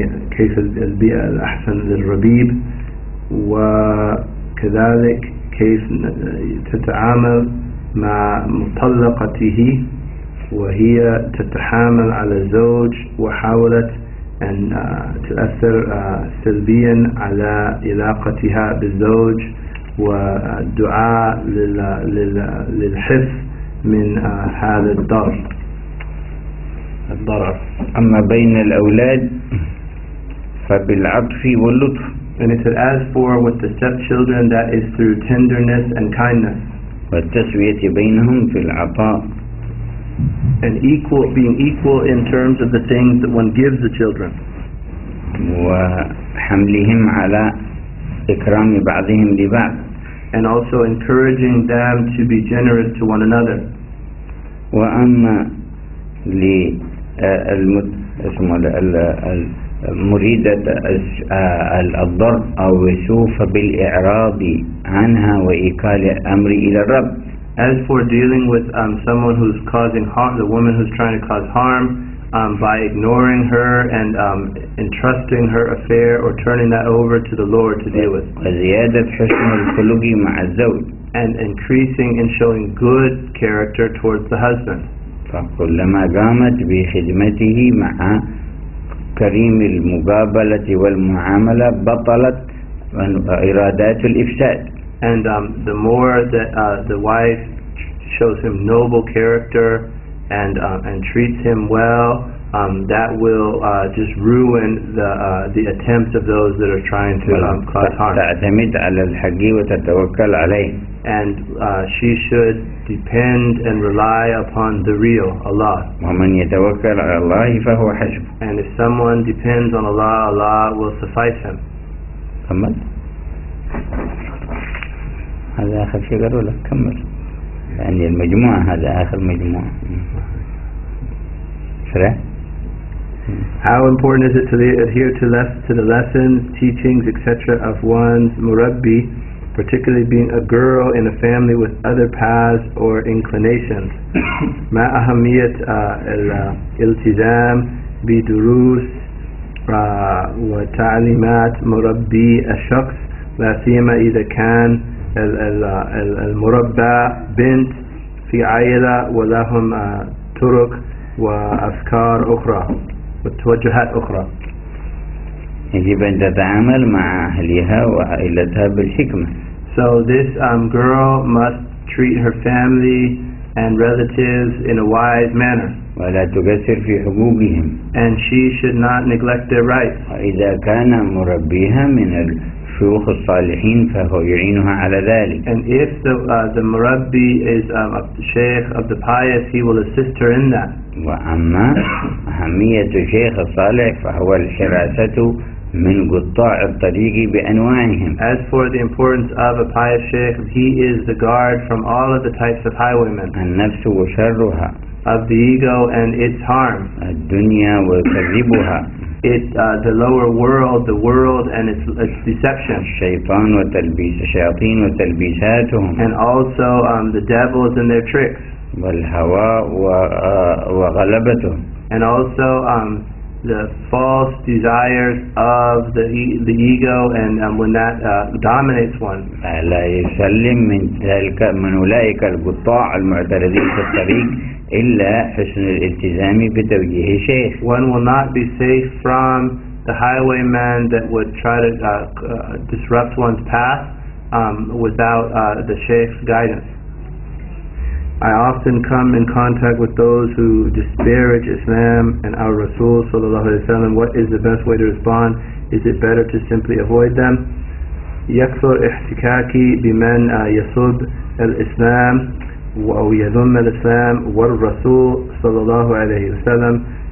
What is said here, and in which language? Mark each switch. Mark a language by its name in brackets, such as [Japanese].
[Arabic] كيف البيئة الأحسن للربيب وكذلك كيف تتعامل مع مطلقته وهي تتحامل على الزوج وحاولت أن تؤثر سلبيا على علاقتها بالزوج والدعاء للحفظ من هذا الضرر. أما بين الأولاد فبالعطف واللطف. [English] And if it asks for with the stepchildren, that is through tenderness and kindness. [Arabic] والتسوية بينهم في العطاء. [English] And equal, being equal in terms of the things that one gives the children. [Arabic] وحملهم على إكرام بعضهم لبعض. [English] And also encouraging them to be generous to one another. [Arabic] وأما للمريدة الضر أو وسوف بالإعراض عنها وإيكال أمر إلى الرب. [English] As for dealing with someone who's causing harm, the woman who's trying to cause harm, by ignoring her and entrusting her affair or turning that over to the Lord to deal with. [Arabic] وزيادة حسن الخلق مع الزوج. [English] And increasing and showing good character towards the husband. [Arabic] فكلما قامت بخدمته مع كريم المقابلة والمعاملة بطلت إرادات الإفساد. [English] And the more that the wife shows him noble character and treats him well, that will just ruin the attempts of those that are trying to cause harm. [Arabic] تعتمد على الحق وتتوكل عليه. [English] And she should depend and rely upon the real Allah. [Arabic] ومن يتوكل على الله فهو حسبه. [English] And if someone depends on Allah, Allah will suffice him. [Arabic] كمل. هذا آخر شيء قالوا لك كمل. يعني المجموعة هذا آخر مجموعة. سرع. [English] How important is it to adhere to the lessons, teachings, etc. of one's murabbi, particularly being a girl in a family with other paths or inclinations. [Arabic] ما أهمية الالتزام بدروس وتعليمات مربي الشخص لا سيما إذا كان المربى بنت في عائلة ولهم طرق وأفكار أخرى وتوجهات أخرى. يجب أن تتعامل مع أهلها وعائلتها بالحكمة. [English] So this girl must treat her family and relatives in a wise manner. [Arabic] ولا تقصر في حقوقهم. [English] And she should not neglect their rights. [Arabic] وإذا كان مربيها من الشيوخ الصالحين فهو يعينها على ذلك. [English] And if the murabbi is a sheikh of the pious, he will assist her in that. [Arabic] وأما أهمية الشيخ الصالح فهو الحراسة من قطاع الطريق بأنواعهم. [English] As for the importance of a pious sheikh, he is the guard from all of the types of highwaymen. [Arabic] النفس وشرها. [English] Of the ego and its harm. [Arabic] الدنيا وكذبها. [English] The lower world, the world and its deception. [Arabic] الشيطان وتلبيس الشياطين وتلبيساتهم. [English] And also the devils and their tricks. [Arabic] والهوى وغلبته. [English] And also the false desires of the ego and when that dominates one. [Arabic] لا يسلم من ذلك من أولئك القطاع المعترضين في الطريق إلا حسن الالتزام بتوجيه الشيخ. [English] One will not be safe from the highwayman that would try to disrupt one's path without the sheikh's guidance. I often come in contact with those who disparage Islam and our Rasul [Arabic] sallallahu alaihi wasallam. [English] What is the best way to respond? Is it better to simply avoid them? [Arabic] يكثر احتكاكي بمن يسب الإسلام أو يذم الإسلام والرسول صلى الله عليه وسلم.